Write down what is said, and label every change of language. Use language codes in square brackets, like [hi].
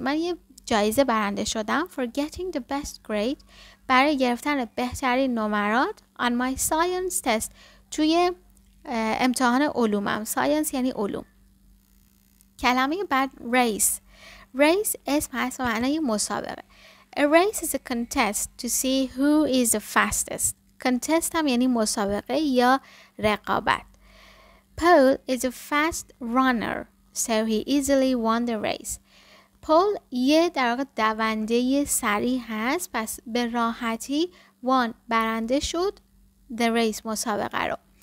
[fa] من یه جایزه برنده شدم [en] for getting the best grade [fa] برای گرفتن بهترین نمرات [en] on my science test [fa] توی امتحان علومم. Science یعنی علوم. کلمه بعد race. Race اسم هست و معنی مسابقه. [en] A race is a contest to see who is the fastest. [fa] Contest هم یعنی مسابقه یا رقابت. [en] Paul is a fast runner, so he easily won the race. [fa] Paul یه در واقع دونده سریع هست، پس به راحتی won برنده شد [en] the race [fa] مسابقه رو.